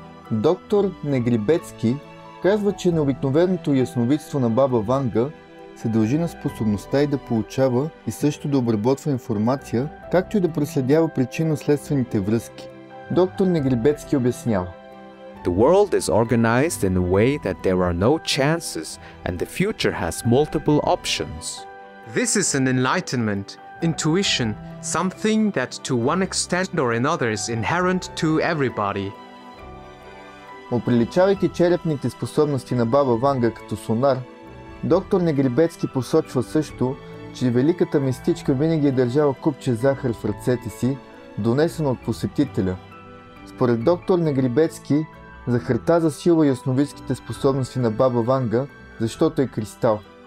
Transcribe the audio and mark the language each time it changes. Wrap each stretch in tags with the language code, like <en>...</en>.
<bg>Доктор Негрибецки казва, че необикновеното ясновидство на Баба Ванга се дължи на способността и да получава и също да обработва информация, както и да проследява причинно-следствените връзки. Доктор Негрибецки обяснява.</bg> <en>The world is organized in a way that there are no chances and the future has multiple options. This is an enlightenment, intuition, something that to one extent or another is inherent to everybody.</en> <bg>Оприличавайки черепните способности на Баба Ванга като сонар, доктор Негрибецки посочва също, че великата мистичка винаги е държала купче захар в ръцете си, донесено от посетителя. Според доктор Негрибецки, захарта засилва ясновидските способности на Баба Ванга, защото е кристал.</bg>